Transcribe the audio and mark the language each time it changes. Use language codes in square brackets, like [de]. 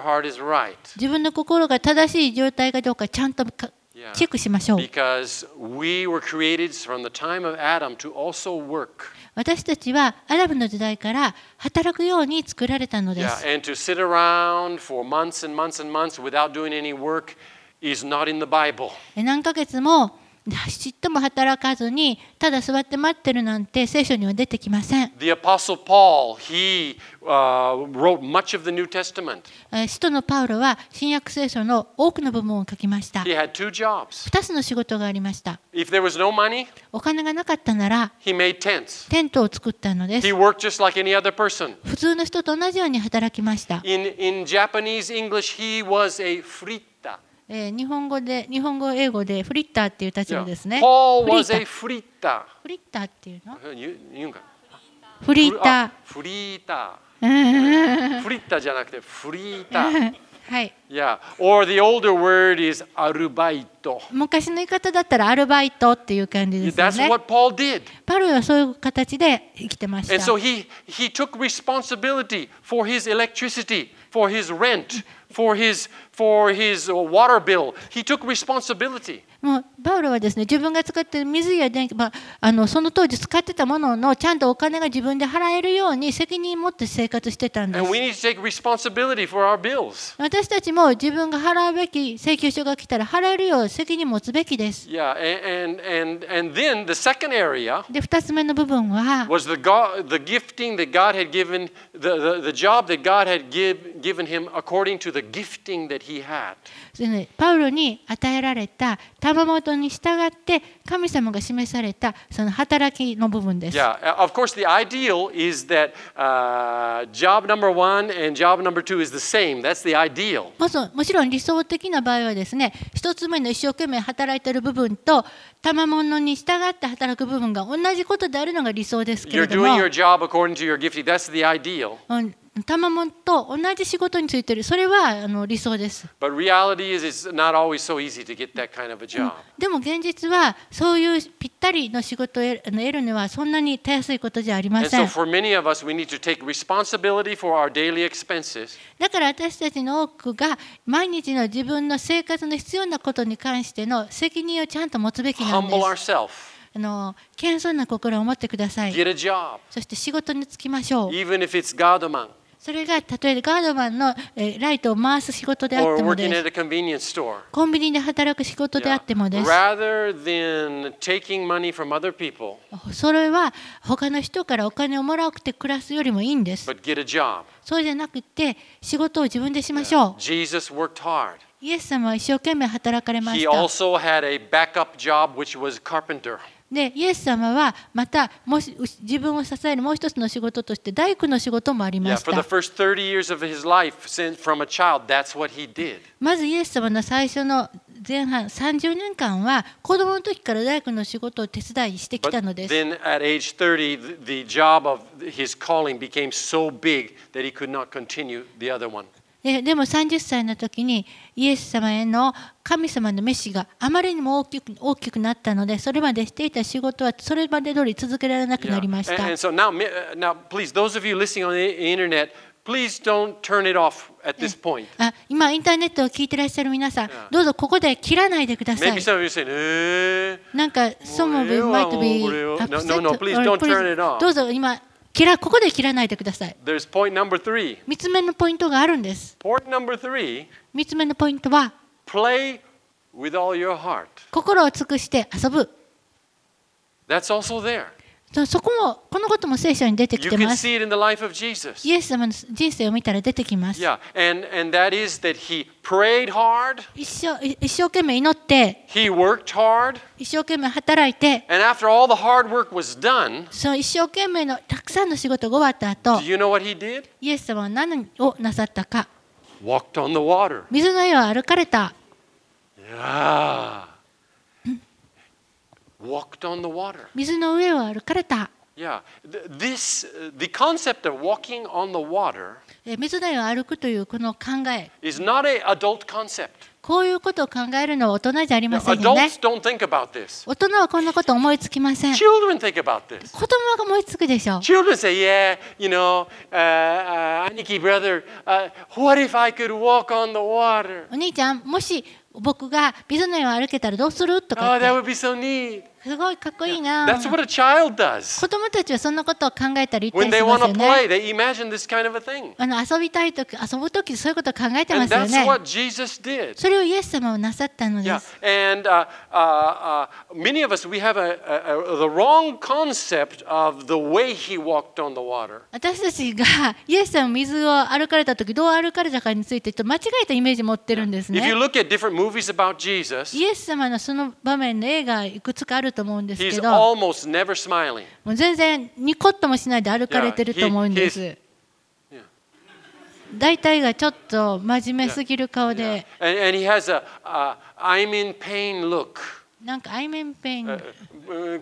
[ja] 自分の心が正しい状態かどうかちゃんとチェックしましょう。 [en] Because we were created from the time of Adam to also work. [ja] 私たちはアダムの時代から働くように作られたのです。 [en] And to sit around for months and months and months without doing any work is not in the Bible. [ja] 何ヶ月もちっとも働かずにただ座って待ってるなんて聖書には出てきません。 [en] The Apostle Paul, he wrote much of the New Testament. [ja] 使徒のパウロは新約聖書の多くの部分を書きました。 [en] He had two jobs. [ja] 2つの仕事がありました。 [en] If there was no money, [ja] お金がなかったなら、 [en] he made tents. [ja] テントを作ったのです。 [en] He worked just like any other person. [ja] 普通の人と同じように働きました。 [en] In Japanese English, he was a fritter. [ja] 日本語英語でフリッターっていう立場ですね。 [en] Yeah. Paul was a fritter. [ja] フリッターっていうの？言うんか。フリッター。フリーター。フリッターじゃなくてフリーター。はい。 [en] Yeah. Or the older word is アルバイト。 [ja] 昔の言い方だったらアルバイトっていう感じですね。 [en] That's what Paul did. [ja] パウロはそういう形で生きてました。 [en] And so he took responsibility for his electricity, for his rent. For his water bill, he took responsibility. [ja] もうパウロはですね、自分が使っている水や電気、まあ、その当時使ってたもののちゃんとお金が自分で払えるように責任を持って生活してたんです。 [en] And we need to take responsibility for our bills. [ja] 私たちも自分が払うべき請求書が来たら払えるよう責任を持つべきです。 [en] Yeah, and then the second area. [ja] で、二つ目の部分は [en] was the gifting that God had given the job that God had given him according to the gifting that he had. [ja] パウロに与えられた賜物に従って神様が示されたその働きの部分です。 [en] Yeah, of course the ideal is that job number one and job number two is the same. That's the ideal. [ja] もちろん理想的な場合はですね、一つ目の一生懸命働いている部分と賜物に従って働く部分が同じことであるのが理想ですけれども。 [en] You're doing your job according to your gifting. That's the ideal. [ja] 賜物と同じ仕事についている、それは理想です。 [en] But reality is, it's not always so easy to get that kind of a job. [ja] でも現実はそういうぴったりの仕事を得るにはそんなにたやすいことじゃありません。 [en] And so for many of us, we need to take responsibility for our daily expenses. [ja] だから私たちの多くが毎日の自分の生活の必要なことに関しての責任をちゃんと持つべきなんです。 [en] Humble ourselves. [ja] 謙遜な心を持ってください。 [en] Get a job. [ja] そして仕事に就きましょう。 [en] Even if it's God man. [ja] それがたとえガードマンのライトを回す仕事であってもです。 [en] Or working at a convenience store. [ja] コンビニで働く仕事であってもです。 [en] Yeah. Rather than taking money from other people. [ja] それは他の人からお金をもらうくて暮らすよりもいいんです。 [en] But get a job. [ja] そうじゃなくて仕事を自分でしましょう。 [en] Yeah. Jesus worked hard. [ja] イエス様は一生懸命働かれました。 [en] He also had a backup job, which was carpenter. [ja] で、イエス様はまたもし自分を支えるもう一つの仕事として大工の仕事もありました。 [en] Yeah, for the first 30 years of his life, since from a child, that's what he did. [ja] まずイエス様の最初の前半30年間は子供の時から大工の仕事を手伝いしてきたのです。 [en] But then at age 30, the job of his calling became so big that he could not continue the other one. [ja] でも30歳の時にイエス様への神様の召しがあまりにも大きくなったので、それまでしていた仕事はそれまで通り続けられなくなりました。 [en] Yeah. And so now, please, those of you listening on the internet, please don't turn it off at this point. [ja] 今インターネットを聞いていらっしゃる皆さん、どうぞここで切らないでください。 [en] Maybe some of you say, なんか some of you might be upset. No, please don't turn it off. [ja] どうぞ今。ここで切らないでください。 [en] There's point number three. [ja] 三つ目のポイントがあるんです。 [en] Point number three. [ja] 三つ目のポイントは、 [en] play with all your heart. [ja] 心を尽くして遊ぶ。 [en] That's also there. [ja] そこも、このことも聖書に出てきてます。 [en] You can see it in the life of Jesus. [ja] イエス様の人生を見たら出てきます。 [en] Yeah, and that is that he prayed hard. [ja] 一生懸命祈って。 [en] He worked hard. [ja] 一生懸命働いて、 [en] And after all the hard work was done, [ja] その一生懸命のたくさんの仕事が終わった後、 [en] Do you know what he did? [ja] イエス様は何をなさったか。 [en] Walked on the water. [ja] 水の上を歩かれた。 [en] Yeah. Walked on the water. [ja] 水の上を歩かれた。 [en] Yeah. This, the concept of walking on the water. [ja] 水の上を歩くというこの考え。 [en] Is not an adult concept. [ja] こういうことを考えるのは大人じゃありませんよね。大人はこんなこと思いつきません。子供が思いつくでしょう。子供 [en] は、yeah, you know, [ja] 兄貴、 [en] brother, what if I could walk on the water? [ja] お兄ちゃん、もし僕が水の上を歩けたらどうするとか。 [en] Oh, that would be so neat. [ja] すごいかっこいいな。 [en] Yeah, that's what a child does. [ja] 子供たちはそんなことを考えたり言ったりしますよね。 [en] Play, kind of [ja] 遊びたいとき、遊ぶときそういうことを考えてますよね。 [en] And that's what Jesus did. [ja] それをイエス様はなさったのです。 [en] Yeah. And many of us we have the wrong concept of the way he walked on the water. [ja] 私たちがイエス様水を歩かれたときどう歩かれたかについてちょっと間違えたイメージ持ってるんですね。 [en] Yeah. If you look at different movies about Jesus, [ja] イエス様のその場面の映画いくつか。あると思うんですけど、 [en] He's almost never smiling. [ja] もう全然ニコッともしないで歩かれてると思うんです。大体がちょっと真面目すぎる顔で。 [en] And he has a I'm in pain look. なんか I'm in pain.